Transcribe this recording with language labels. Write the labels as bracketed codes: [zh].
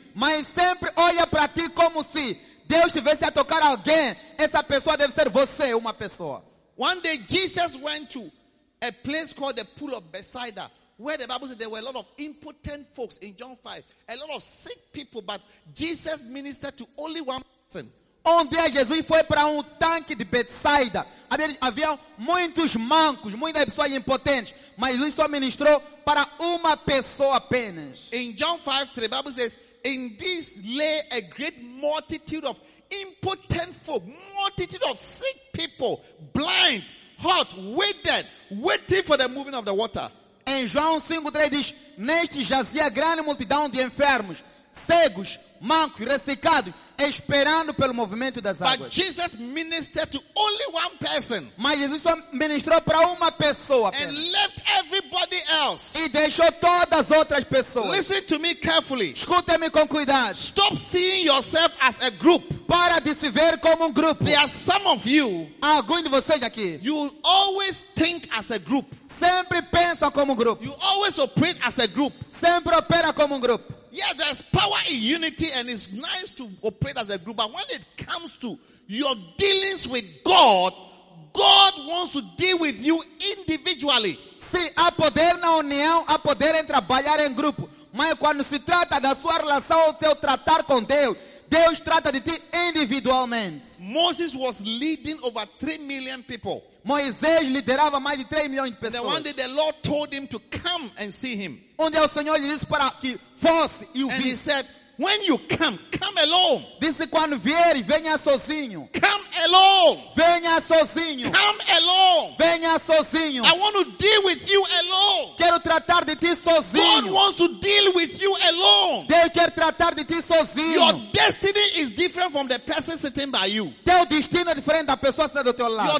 [pt] Mas sempre olha para ti como se Deus estivesse a tocar alguém, essa pessoa deve ser você, uma pessoa. [en] One day Jesus went to a place called the Pool of Bethesda, where the Bible says there were a lot of impotent folks in John 5, a lot of sick people, but Jesus ministered to only one person. [pt] Um dia Jesus foi para tanque de Betsaida. Havia muitos mancos, muitas pessoas impotentes, mas Jesus só ministrou para uma pessoa apenas. [en] In John 5, the Bible says, in this lay a great multitude of impotent folk, multitude of sick people, blind, hot, withered, waiting for the moving of the water. [pt] Em João 5:3 diz, neste jazia grande multidão de enfermos, cegos, mancos, ressecados, esperando pelo movimento das águas. [en] But Jesus ministered to only one person. [pt] Mas Jesus ministrou para uma pessoa. [en] And left everybody else. [pt] E deixou todas as outras pessoas. [en] Listen to me carefully. [pt] Escute-me com cuidado. [en] Stop seeing yourself as a group. [pt] Para de se ver como grupo. [en] There are some of you. [pt] Alguns de vocês aqui. [en] You always think as a group. [pt] Sempre pensa como grupo. [en] You always operate as a group. [pt] Sempre opera como grupo. [en] Yeah, there's power in unity and it's nice to operate as a group. But when it comes to your dealings with God, God wants to deal with you individually. [pt] Sim, há poder na união, há poder em trabalhar em grupo. Mas quando se trata da sua relação, o teu tratar com Deus, Deus trata de ti individualmente. [en] Moses was leading over 3 million people. [pt] Moisés liderava mais de 3 milhões de pessoas. [en] Then one day the Lord told him to come and see him. [pt] Onde o Senhor lhe disse para que fosse e o visse. [en] And he said, when you come, come alone. [pt] Disse, quando vier, venha sozinho. [en] Come alone. [pt] Venha sozinho. [en] Come alone. [pt] Venha sozinho. [en] I want to deal with you alone. [pt] Quero tratar de ti sozinho. [en] God wants to deal with you alone. [pt] Deus quer tratar de ti sozinho. [en] Your destiny is different from the person sitting by you. [pt] Teu destino é diferente da pessoa sentada do teu lado.